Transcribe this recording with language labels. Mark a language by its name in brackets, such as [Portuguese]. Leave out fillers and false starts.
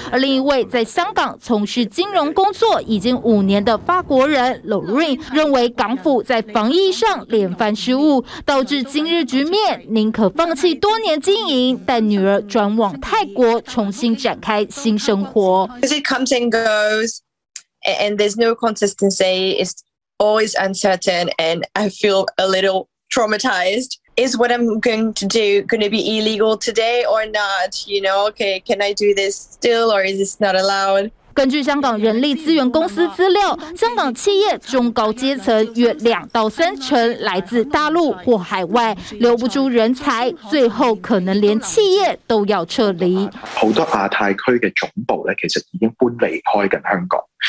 [Chinese] 而另一位在香港从事金融工作已经5年的法国人 Lorraine 认为，港府在防疫上连番失误，导致今日局面，宁可放弃多年经营，带女儿转往泰国重新展开新生活。 [English] As it comes and goes, and there's no consistency, it's always uncertain, and I feel a little traumatized. Is what I'm going to do going to be illegal today or not? You know, okay, can I do this still, or is this not allowed? [Chinese] 根据香港人力资源公司资料，香港企业中高阶层约20%到30%来自大陆或海外，留不住人才，最后可能连企业都要撤离。好多亚太区的总部其实已经搬离开香港。